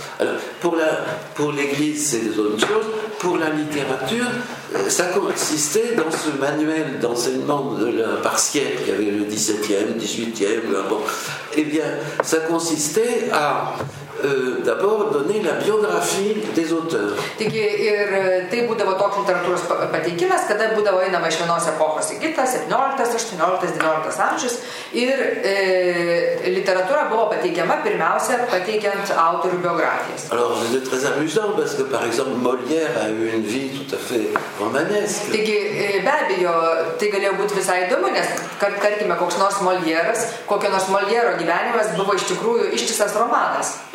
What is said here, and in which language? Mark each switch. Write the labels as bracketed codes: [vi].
[fr] Alors, pour l'Église, c'est des autres choses. Pour la littérature, ça consistait dans ce manuel d'enseignement de par siècle, il y avait le 17e, 18e, bon. Eh bien, ça consistait à d'abord donner la biographie des auteurs. [lt] Taigi, ir tai būdavo toks literatūros pateikimas, kada būdavo einama iš vienos epochos į kitą, 17, 18, 19 amžius, ir literatūra buvo pateikiama pirmiausia pateikiant autorių biografijas. [fr] Alors, c'est très amusant, parce que, par exemple, Molière a eu une vie tout à fait romanesque. [lt] Taigi, be abejo, tai galėjo būti visai įdomu, nes, tarkime, koks nors Molière'as, kokio nors Molière'o gyvenimas buvo iš tikrųjų ištisas romanas.